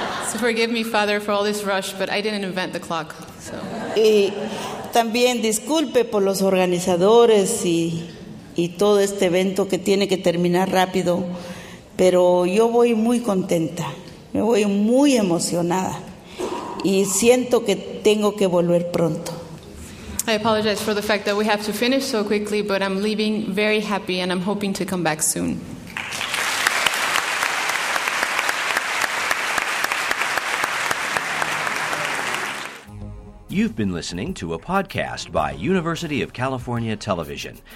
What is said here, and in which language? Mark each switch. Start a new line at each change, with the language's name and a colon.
English: So forgive me, father, for all this rush, but I didn't invent the clock. So.
Spanish: Y también disculpe por los organizadores y todo este evento que tiene que terminar rápido, pero yo voy muy contenta, me voy muy emocionada y siento que tengo que volver pronto.
English: I apologize for the fact that we have to finish so quickly, but I'm leaving very happy and I'm hoping to come back soon. You've been listening to a podcast by University of California Television.